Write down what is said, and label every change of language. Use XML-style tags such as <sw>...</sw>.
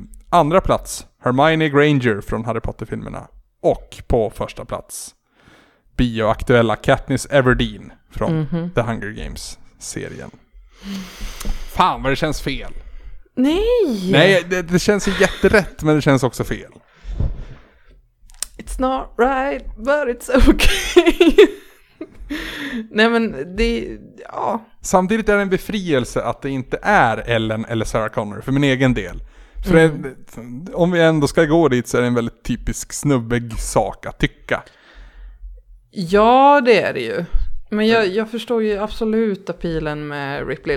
<sv>Andra plats Hermione Granger från Harry Potter-filmerna. Och på första plats bioaktuella Katniss Everdeen från The Hunger Games-serien. Fan, vad det känns fel. Nej, det känns jätterätt, men det känns också fel.</sv> <en>It's not right, but it's okay.</en> <sv>Nej, men det... Ja. Samtidigt är det en befrielse att det inte är Ellen eller Sarah Connor, för min egen del. För om vi ändå ska gå dit så är det en väldigt typisk snubbig sak att tycka. Ja, det är det ju. Men jag förstår ju absolut appealen med Ripley.</sv>